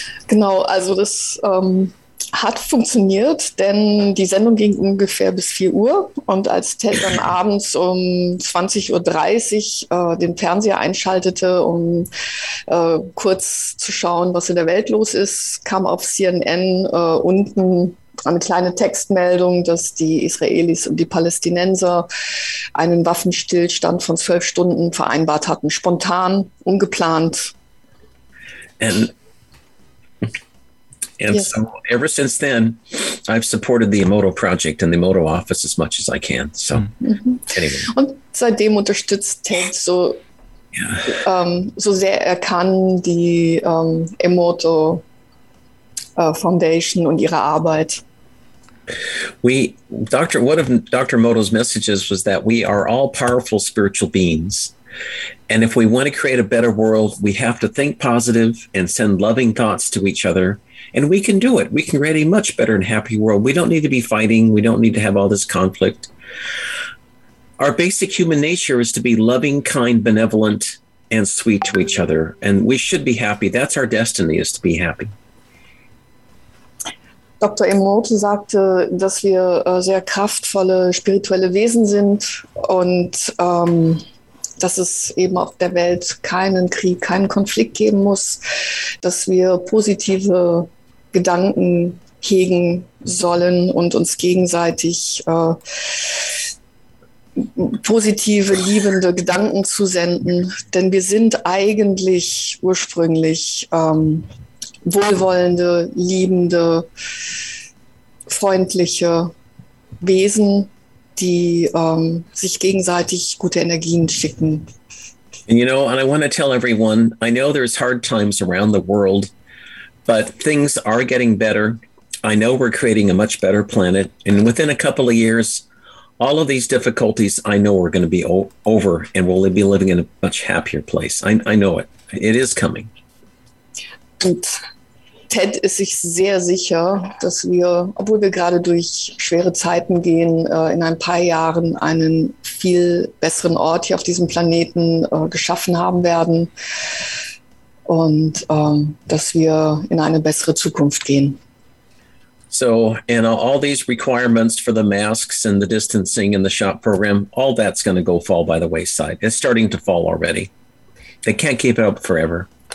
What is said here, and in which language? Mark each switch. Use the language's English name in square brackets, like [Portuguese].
[German] Genau, also das hat funktioniert, denn die Sendung ging ungefähr bis 4 Uhr und als Ted dann abends um 20.30 Uhr den Fernseher einschaltete, um kurz zu schauen, was in der Welt los ist, kam auf CNN unten eine kleine Textmeldung, dass die Israelis und die Palästinenser einen Waffenstillstand von 12 Stunden vereinbart hatten, spontan, ungeplant. [English] And yes. So ever since then, I've supported the Emoto Project and the Emoto Office as much as I can. So anyway. [German] Und seitdem unterstützt Ted so, so sehr er kann die Emoto Foundation und ihre Arbeit. [English] One of Dr. Emoto's messages was that we are all powerful spiritual beings. And if we want to create a better world, we have to think positive and send loving thoughts to each other. And we can do it. We can create a much better and happy world. We don't need to be fighting. We don't need to have all this conflict. Our basic human nature is to be loving, kind, benevolent, and sweet to each other. And we should be happy. That's our destiny, is to be happy. Dr. [German] Emoto sagte, dass wir sehr kraftvolle spirituelle Wesen sind und dass es eben auf der Welt keinen Krieg, keinen Konflikt geben muss, dass wir positive Gedanken hegen sollen und uns gegenseitig positive, liebende Gedanken zu senden. Denn wir sind eigentlich ursprünglich wohlwollende, liebende, freundliche Wesen, die sich gegenseitig gute Energien schicken. [English] And you know, and I want to tell everyone, I know there's hard times around the world, but things are getting better. I know we're creating a much better planet. And within a couple of years, all of these difficulties, I know are going to be over and we'll be living in a much happier place. I know it. It is coming. [German] Und Ted ist sich sehr sicher, dass wir, obwohl wir gerade durch schwere Zeiten gehen, in ein paar Jahren einen viel besseren Ort hier auf diesem Planeten geschaffen haben werden und dass wir in eine bessere Zukunft gehen. [English] So, and all these requirements for the masks and the distancing and the shot program, all that's going to go fall by the wayside. It's starting to fall already. They can't keep it up forever.